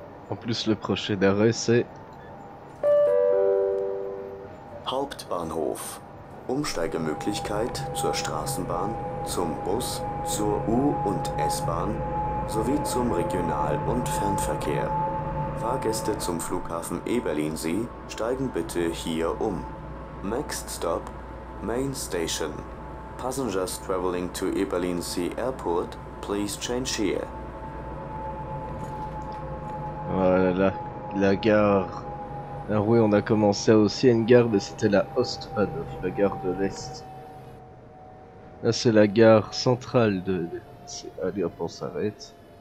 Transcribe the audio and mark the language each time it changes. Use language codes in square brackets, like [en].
[fr] En plus, le prochain arrêt, c'est... [de] Hauptbahnhof. Umsteigemöglichkeit zur Straßenbahn, zum Bus, zur U- und S-Bahn sowie zum Regional- und Fernverkehr. Fahrgäste zum Flughafen Eberlinsee steigen bitte hier um. [en] Next Stop, Main Station. Passengers traveling to Eberlinsee Airport, please change here. [fr] Voilà, la gare. Ah oui, on a commencé à aussi une gare, mais c'était la Ostbahnhof, la gare de l'Est. Là, c'est la gare centrale de... Allez, hop, on s'arrête.